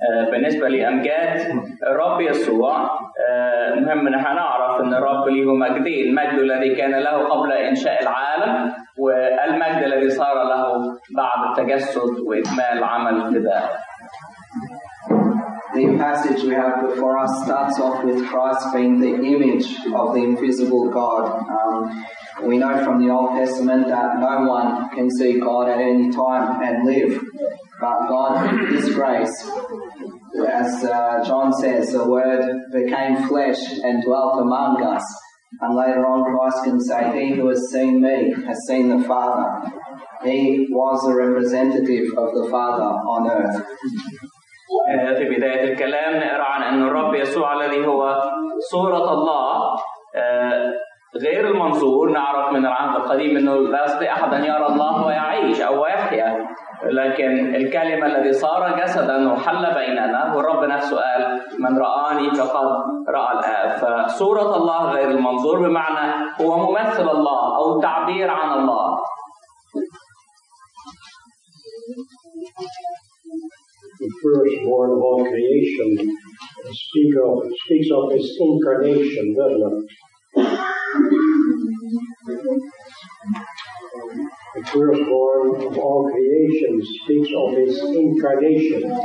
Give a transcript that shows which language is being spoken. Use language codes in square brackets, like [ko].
[ar] بالنسبة لأمجاد الرب يسوع، مهم نحن نعرف أن الرب له مجدين، المجد الذي كان له قبل إنشاء العالم، والمجد الذي صار له بعد التجسد وإكمال عمل الفداء. [en] The passage we have before us starts off with Christ being the image of the invisible God. We know from the Old Testament that no one can see God at any time and live. But God is grace. As John says, the Word became flesh and dwelt among us. And later on, Christ can say, He who has seen me has seen the Father. He was a representative of the Father on earth. [ar] في بداية الكلام نقرأ عن أن الرب يسوع الذي هو صورة الله غير المنظور، نعرف من العهد القديم أنه لا يستطيع أحد أن يرى الله ويعيش أو يحيا، لكن الكلمة الذي صار جسدا وحل بيننا، والرب نفسه قال من رآني فقد رأى الآب. فصورة الله غير المنظور بمعنى هو ممثل الله أو تعبير عن الله. [en] The firstborn of all creation speaks of his incarnation, doesn't it? The firstborn of all creation speaks of his incarnation.